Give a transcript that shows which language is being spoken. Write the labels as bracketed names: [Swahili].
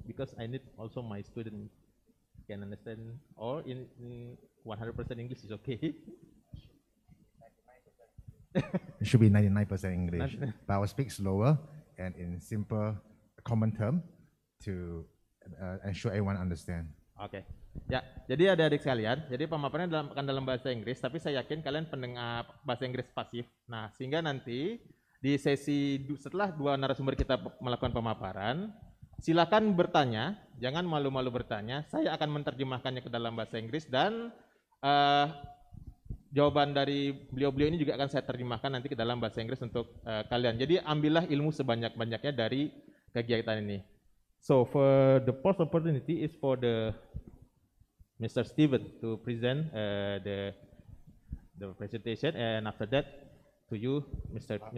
[English] Because I need also my student can understand, or in 100% English is okay. It should be 99% English, but I will speak slower and in simple common term to ensure everyone understand. Okay. [Indonesian] Ya, jadi ada adik sekalian, jadi pemaparannya akan dalam bahasa Inggris, tapi saya yakin kalian pendengar bahasa Inggris pasif. Nah, sehingga nanti di sesi setelah dua narasumber kita melakukan pemaparan, silakan bertanya, jangan malu-malu bertanya. Saya akan menerjemahkannya ke dalam bahasa Inggris dan jawaban dari beliau-beliau ini juga akan saya terjemahkan nanti ke dalam bahasa Inggris untuk kalian. Jadi ambillah ilmu sebanyak-banyaknya dari kegiatan ini. [English] So for the first opportunity is for the Mr. Steven to present the presentation, and after that to you, Mr.